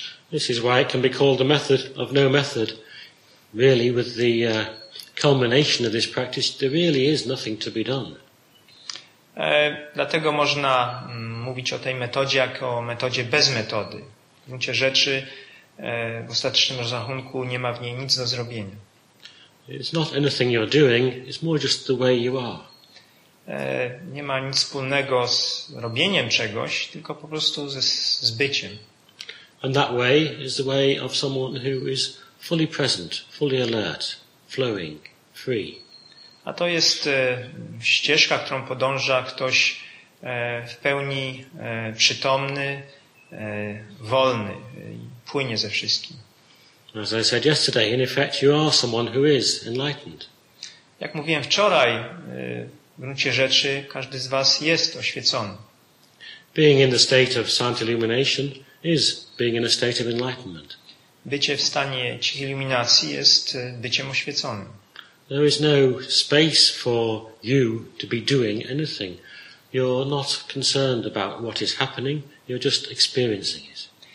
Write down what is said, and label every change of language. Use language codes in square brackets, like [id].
[en] This is why it can be called a method of no method. Really, with the culmination of this practice, there really is nothing to be done. [pl] Dlatego można mówić o tej metodzie jako o metodzie bez metody. W gruncie rzeczy w ostatecznym rozrachunku nie ma w niej nic do zrobienia. [en] It's not anything you're doing, it's more just the way you are. [pl] Nie ma nic wspólnego z robieniem czegoś, tylko po prostu z byciem. [en] And that way is the way of someone who is fully present, fully alert, flowing, free. [pl] A to jest ścieżka, którą podąża ktoś w pełni przytomny, wolny, płynie ze wszystkim. [en] As I said yesterday, in effect you are someone who is enlightened. [pl] Jak mówiłem wczoraj, w gruncie rzeczy każdy z was jest oświecony. [en] Being in the state of silent illumination is being in a state of enlightenment. [pl] Bycie w stanie cichej iluminacji jest byciem oświeconym. [en] There is no space for you to be doing anything. You're not concerned about what is happening, you're just experiencing it.